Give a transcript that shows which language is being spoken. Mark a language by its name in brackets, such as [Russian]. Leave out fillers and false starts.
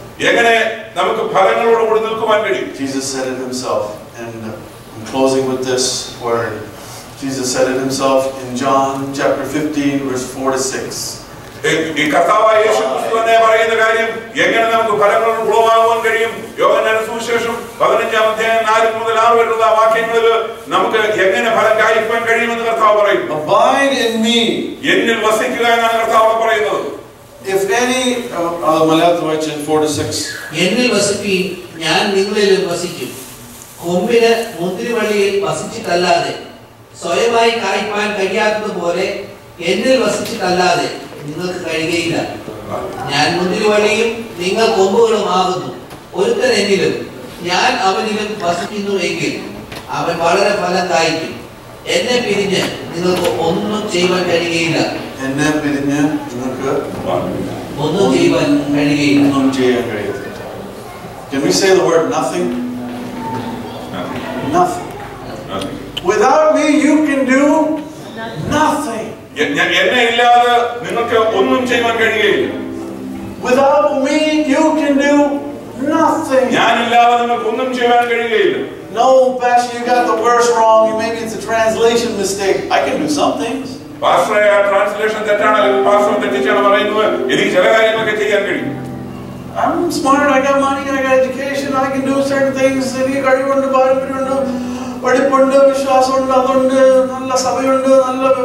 [Malayalam] എങ്ങനെ നമുക്ക് ഫലങ്ങളോട് കൂടി നിൽക്കുവാൻ കഴിയും? [English] Jesus said it himself, and I'm closing with this word. Jesus said it himself in John chapter 15 verse 4 to 6. [Malayalam] ഈ കർത്താവായ യേശു ക്രിസ്തു തന്നെ പറയുന്ന കാര്യം എങ്ങനെ നമുക്ക് ഫലങ്ങളുടെ ഉളവാകാൻ കഴിയും? യോഹന്നാന്റെ സുവിശേഷം 15 അധ്യായം 4 മുതൽ 6 വരെയുള്ള വാക്യങ്ങളിൽ നമുക്ക് എങ്ങനെ ഫലം കായ്ക്കാൻ കഴിയുമെന്ന് കർത്താവ് പറയും. [English] Abide in me. [Malayalam] എന്നിൽ വസിക്കുക എന്നാണ് കർത്താവ് പറയുന്നത്. [English] If any [Malayalam] മലയാളത്തിൽ വായിച്ചാൽ [English] 4 to 6. [Malayalam] എന്നിൽ വസിപ്പീൻ, ഞാൻ നിങ്ങളിൽ വസിക്കും. കൊമ്പിന് മുന്തിരിവള്ളിയിൽ വസിച്ചിട്ടല്ലാതെ സ്വയമായി കായ്ക്കാൻ കഴിയാത്തതുപോലെ എന്നിൽ വസിച്ചിട്ടല്ലാതെ നിങ്ങൾക്ക് കഴിയുകയില്ല. ഞാൻ മുന്തിരിവള്ളിയും നിങ്ങൾ കൊമ്പുകളും ആകുന്നു. ഒരുത്തൻ എന്നിലും ഞാൻ അവനിലും വസിക്കുന്നു എങ്കിൽ അവൻ വളരെ ഫലം കായ്ക്കും. എന്നെ പിരിഞ്ഞ് നിങ്ങൾക്ക് ഒന്നും ചെയ്യാൻ കഴിയുകയില്ല. എന്നെ പിരിഞ്ഞ് നിങ്ങൾക്ക് ഒന്നും ചെയ്യാൻ കഴിയുകയില്ല. ഒന്നും ചെയ്യാൻ കഴിയില്ല. [English] Can we say the word nothing? Nothing. Without me you can do nothing. [Malayalam] എന്നെ ഇല്ലാതെ നിങ്ങൾക്ക് ഒന്നും ചെയ്യാൻ കഴിയില്ല. [English] Without me you can do nothing. [Malayalam] ഞാൻ ഇല്ലാതെ നിങ്ങൾക്ക് ഒന്നും ചെയ്യാൻ കഴിയില്ല. [English] No, Pastor, you got the verse wrong. Maybe it's a translation mistake. I can do some things. [Malayalam] Pastor ആ ട്രാൻസ്ലേഷൻ തെറ്റാണല്ലോ. പാസ്റ്റർ തെറ്റിച്ചാണ് പറയുന്നത്. എനിക്ക് ചില കാര്യങ്ങളൊക്കെ ചെയ്യാൻ കഴിയും. [English] I'm smart. I got money. I got education. I can do certain things. [Malayalam] എനിക്ക് കഴിവുണ്ട്, പാരമ്പര്യമുണ്ട്, പഠിപ്പുണ്ട്, വിശ്വാസമുണ്ട്, അതുണ്ട്, നല്ല സഭയുണ്ട്, നല്ല